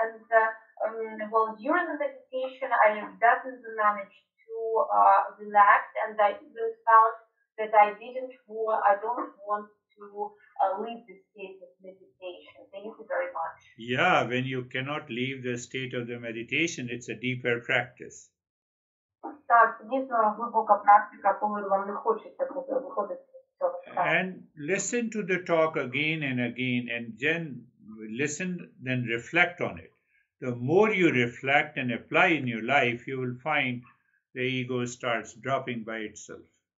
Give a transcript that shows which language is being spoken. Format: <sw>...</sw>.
<en>And during the meditation, I definitely managed to relax, and I even felt that I don't want to leave the state of meditation. Thank you very much. Yeah, when you cannot leave the state of the meditation, it's a deeper practice.</en> <uk>Так, дійсно глибока практика, коли вам не хочеться виходити з цього.</uk> <en>And listen to the talk again and again, and then listen, then reflect on it. The more you reflect and apply in your life, you will find the ego starts dropping by itself.</en>